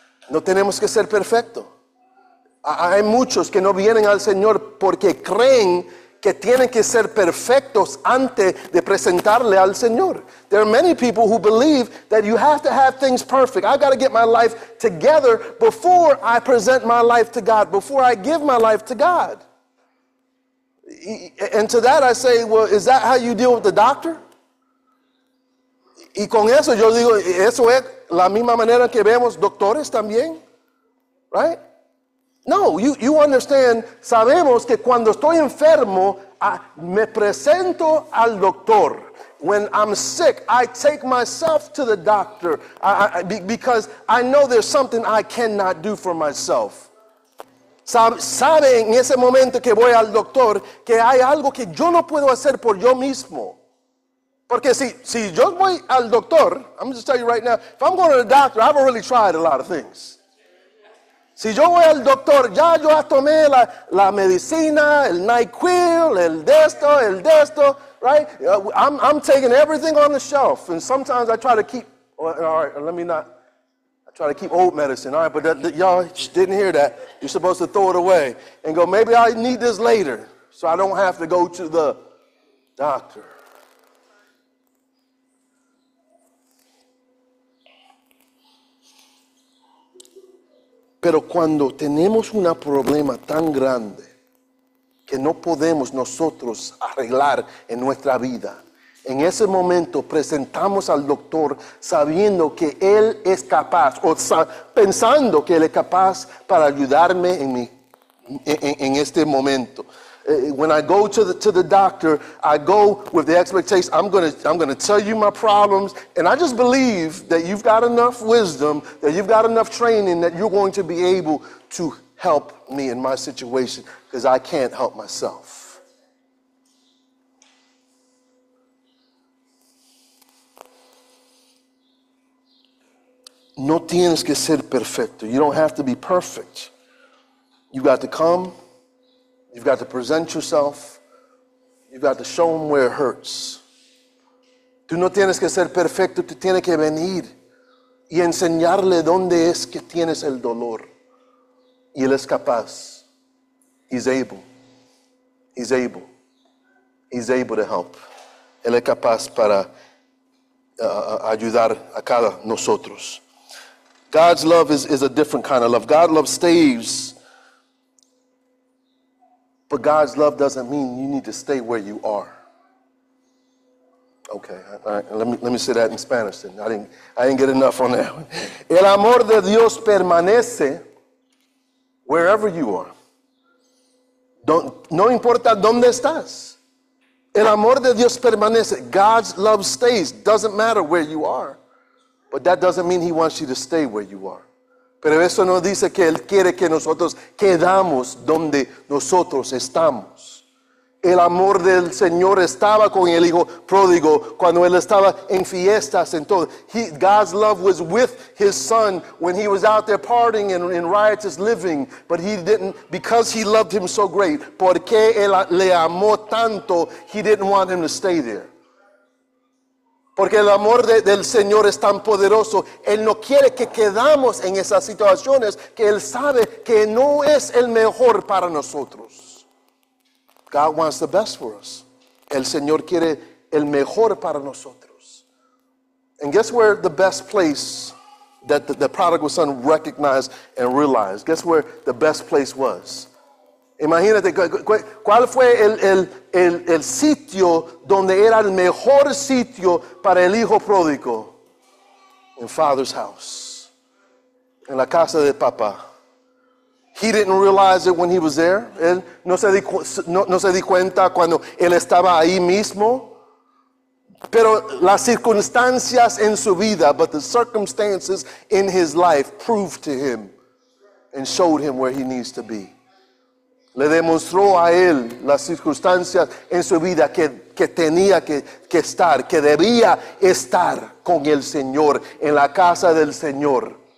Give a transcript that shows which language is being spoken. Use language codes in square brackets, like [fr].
[es] No tenemos que ser perfecto. Hay muchos que no vienen al Señor porque creen que tienen que ser perfectos antes de presentarle al Señor. [en] There are many people who believe that you have to have things perfect. I've got to get my life together before I present my life to God, before I give my life to God. And to that I say, well, is that how you deal with the doctor? [es] Y con eso yo digo, eso es la misma manera que vemos doctores también, right? No, [en] you understand, [es] sabemos que cuando estoy enfermo, me presento al doctor. [en] When I'm sick, I take myself to the doctor because I know there's something I cannot do for myself. [es] Sabe en ese momento que voy al doctor que hay algo que yo no puedo hacer por yo mismo. Porque si yo voy al doctor, [en] I'm just tell you right now, if I'm going to the doctor, I've already tried a lot of things. [es] Si yo voy al doctor, ya yo tomé la medicina, el NyQuil, el de esto, right? [en] I'm taking everything on the shelf. And sometimes I try to keep, I try to keep old medicine. All right, but that y'all didn't hear that. You're supposed to throw it away and go, maybe I need this later so I don't have to go to the doctor. [es] Pero cuando tenemos un problema tan grande que no podemos nosotros arreglar en nuestra vida, en ese momento presentamos al doctor sabiendo que él es capaz, o pensando que él es capaz para ayudarme en este momento. [en] When I go to the doctor, I go with the expectation I'm gonna tell you my problems, and I just believe that you've got enough wisdom, that you've got enough training, that you're going to be able to help me in my situation because I can't help myself. [es] No tienes que ser perfecto. [en] You don't have to be perfect. You got to come. You've got to present yourself. You've got to show them where it hurts. [es] Tú no tienes que ser perfecto. Tú tienes que venir y enseñarle dónde es que tienes el dolor. Y él es capaz. [en] He's able. He's able. He's able to help. [es] Él es capaz para ayudar a cada nosotros. [en] God's love is a different kind of love. God's love stays. But God's love doesn't mean you need to stay where you are. Okay, all right, let me say that in Spanish then. I didn't get enough on that. [es] El amor de Dios permanece [en] wherever you are. [es] No importa dónde estás. El amor de Dios permanece. [en] God's love stays. Doesn't matter where you are. But that doesn't mean he wants you to stay where you are. [es] Pero eso no dice que Él quiere que nosotros quedamos donde nosotros estamos. El amor del Señor estaba con el hijo pródigo cuando Él estaba en fiestas. En todo. [en] God's love was with his son when he was out there partying and in riotous living. But he didn't, because he loved him so great, [es] porque él le amó tanto, [en] he didn't want him to stay there. [es] Porque el amor del Señor es tan poderoso. Él no quiere que quedamos en esas situaciones que Él sabe que no es el mejor para nosotros. [en] God wants the best for us. [es] El Señor quiere el mejor para nosotros. [en] And guess where the best place that the prodigal son recognized and realized? Guess where the best place was? [es] Imagínate, ¿cuál fue el sitio donde era el mejor sitio para el hijo pródigo? [en] In father's house. [es] En la casa de papá. [en] He didn't realize it when he was there. [es] Él no se di cuenta cuando él estaba ahí mismo. Pero las circunstancias en su vida, [en] but the circumstances in his life proved to him and showed him where he needs to be. [es] Le demostró a él las circunstancias en su vida que tenía que estar, que debía estar con el Señor, en la casa del Señor.